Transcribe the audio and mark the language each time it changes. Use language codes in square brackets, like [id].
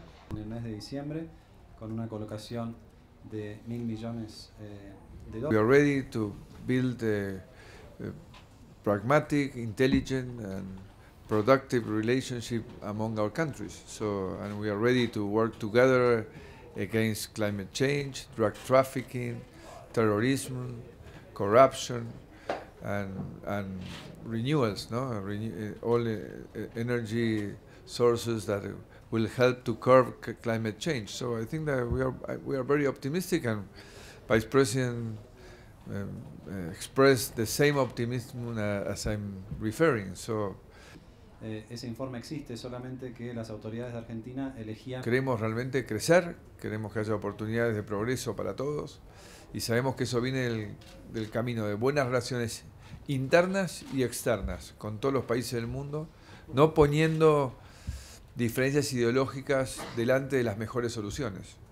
[es] En el mes de diciembre, con una colocación de 1,000 millones de dólares. [en] We are ready to build a pragmatic, intelligent, and productive relationship among our countries. So, and we are ready to work together against climate change, drug trafficking, terrorism, corruption, and renewals, no? All energy sources that will help to curb climate change. So I think that we are very optimistic, and Vice President expressed the same optimism as I'm referring. So [es] ese informe existe, solamente que las autoridades de Argentina elegían. Queremos realmente crecer, queremos que haya oportunidades de progreso para todos, y sabemos que eso viene del camino de buenas relaciones internas y externas con todos los países del mundo, no poniendo diferencias ideológicas delante de las mejores soluciones.